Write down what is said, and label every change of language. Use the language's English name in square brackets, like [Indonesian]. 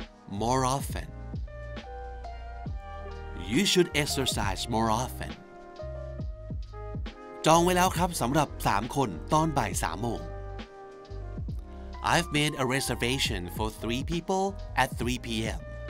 [English] You should exercise more often. You should exercise more often. [Thai] จองไว้แล้วครับสำหรับ3คนตอนบ่าย 3 โมง [English] I've made a reservation for 3 people at 3 p.m.